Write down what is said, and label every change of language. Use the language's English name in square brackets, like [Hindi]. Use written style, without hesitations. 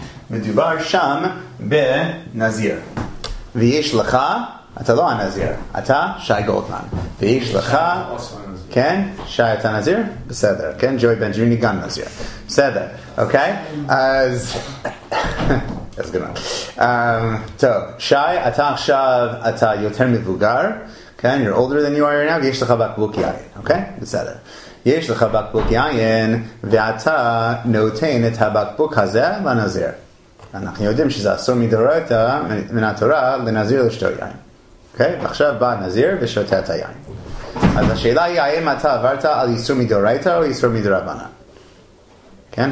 [Hebrew] מדובר שם בנזיר. ויש לך, אתה לא הנזיר, אתה שי גולדמן. ויש לך, כן? שי, אתה נזיר? בסדר. כן? ג'וי בנג'ריני גם נזיר. בסדר, אוקיי? אז... אז גם. טוב, שי, אתה עכשיו, אתה יותר מבוגר, כן? [English] You're older than you are now, [Hebrew] ויש לך בקבוק יין, אוקיי? בסדר. יש לך בקבוק יין, ואתה נותן את הבקבוק הזה לנזיר. אנחנו יודעים שזה אסור מדאורייתא, מן התורה, לנזיר לשתות יין. אוקיי? ועכשיו בא הנזיר ושותה את היין. אז השאלה היא, האם אתה עברת על איסור מדאורייתא או איסור מדרבנן? כן?